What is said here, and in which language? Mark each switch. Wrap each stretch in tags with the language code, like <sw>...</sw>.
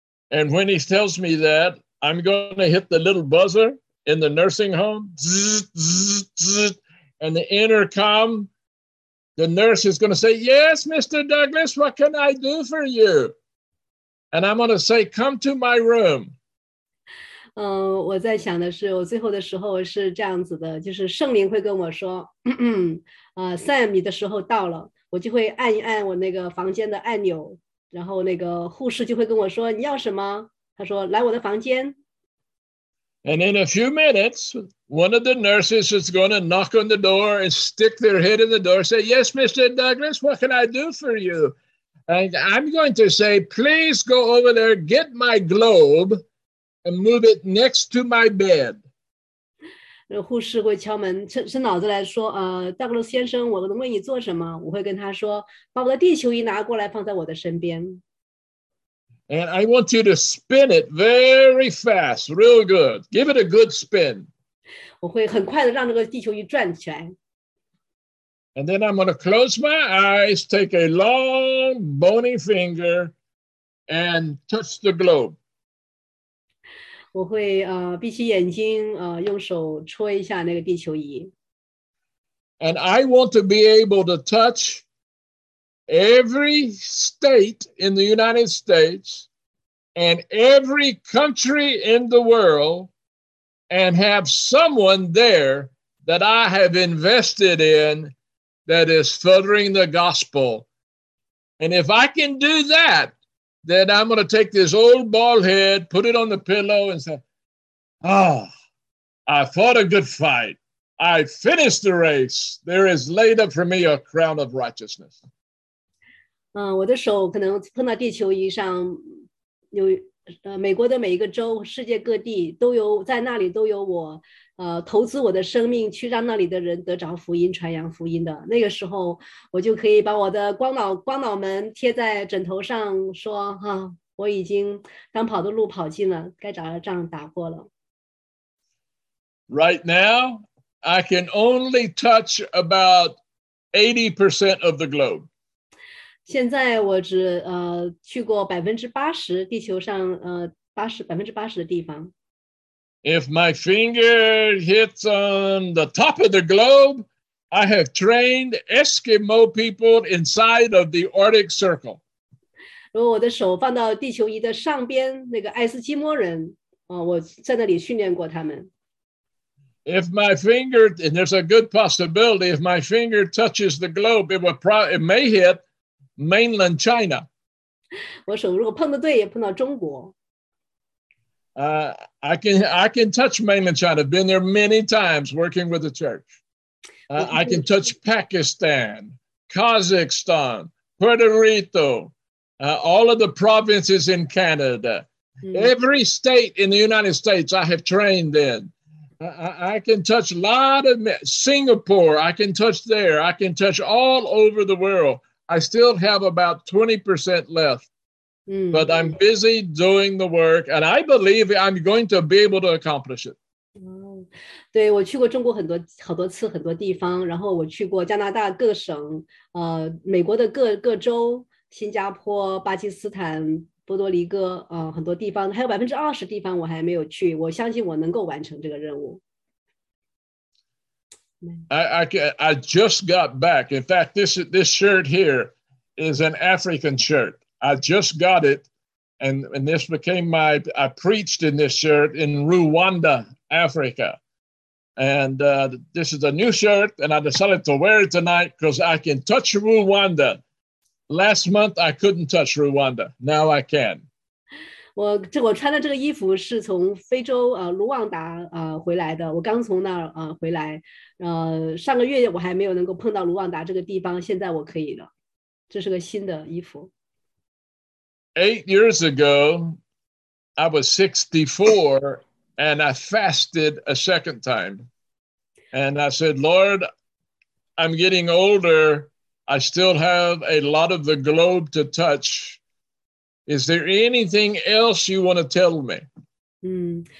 <en>And when he tells me that, I'm going to hit the little buzzer in the nursing home, zzz, zzz, zzz, and the intercom, the nurse is going to say, yes, Mr. Douglas, what can I do for you? And I'm going to say, come to my room.</en> <zh>我在想的是，我最后的时候是这样子的，就是圣灵会跟我说，Sam, 你的时候到了，我就会按一按我那个房间的按钮，然后那个护士就会跟我说，你要什么？他说，来我的房间。</zh> <en>And in a few minutes, one of the nurses is going to knock on the door and stick their head in the door, say, yes, Mr. Douglas, what can I do for you? And I'm going to say, please go over there, get my globe. And move it next to my bed.</en> <zh>护士会敲门，伸脑子来说，Douglas 先生，我能为你做什么？我会跟他说，把我的地球仪拿过来，放在我的身边。</zh> <en>And I want you to spin it very fast, real good. Give it a good spin.</en> <zh>我会很快的让这个地球仪转起来。</zh> <en>And then I'm going to close my eyes, take a long bony finger, and touch the globe.</en> <zh>我会闭起眼睛用手戳一下那个地球仪。</zh> <en>And I want to be able to touch every state in the United States and every country in the world and have someone there that I have invested in that is furthering the gospel. And if I can do that,Then I'm going to take this old bald head, put it on the pillow and say, Oh, I fought a good fight. I finished the race. There is laid up for me a crown of righteousness.</en> <zh>我的手可能碰到地球仪上，有美国的每一个州，世界各地都有，在那里都有我投资我的生命去让那里的人得着福音，传扬福音的那个时候，我就可以把我的光脑门贴在枕头上说，说我已经当跑的路跑尽了，该打的仗打过了。</zh> <en>Right now, I can only touch about 80% of the globe.</en> <zh>现在我只去过80%地球上80%的地方。</zh> <en>If my finger hits on the top of the globe, I have trained Eskimo people inside of the Arctic Circle.</en> <zh>如果我的手放到地球仪的上边，那个爱斯基摩人，我在那里训练过他们。</zh> <en>If my finger, and there's a good possibility, if my finger touches the globe, it may hit mainland China.</en> <zh>我手如果碰得对，也碰到中国。</zh> <en>I can touch mainland China. I've been there many times working with the church. I can touch Pakistan, Kazakhstan, Puerto Rico, all of the provinces in Canada. Every state in the United States I have trained in. I can touch a lot of Singapore. I can touch there. I can touch all over the world. I still have about 20% left. But I'm busy doing the work, and I believe I'm going to be able to accomplish it.</en> <zh>对，我去过中国很多好多次，很多地方，然后我去过加拿大各省，美国的各州，新加坡、巴基斯坦、波多黎各，很多地方，还有20%地方我还没有去。我相信我能够完成这个任务。</zh> <en>I just got back. In fact, this shirt here is an African shirt. I just got it, and this became my, I preached in this shirt in Rwanda, Africa. And this is a new shirt, and I decided to wear it tonight because I can touch Rwanda. Last month, I couldn't touch Rwanda. Now I can.</en> <zh>我穿的这个衣服是从非洲卢旺达回来的，我刚从那儿回来，上个月我还没有能够碰到卢旺达这个地方，现在我可以了，这是个新的衣服。</zh> <en>8 years ago, I was 64, and I fasted a second time. And I said, Lord, I'm getting older. I still have a lot of the globe to touch. Is there anything else you want to tell me?</en>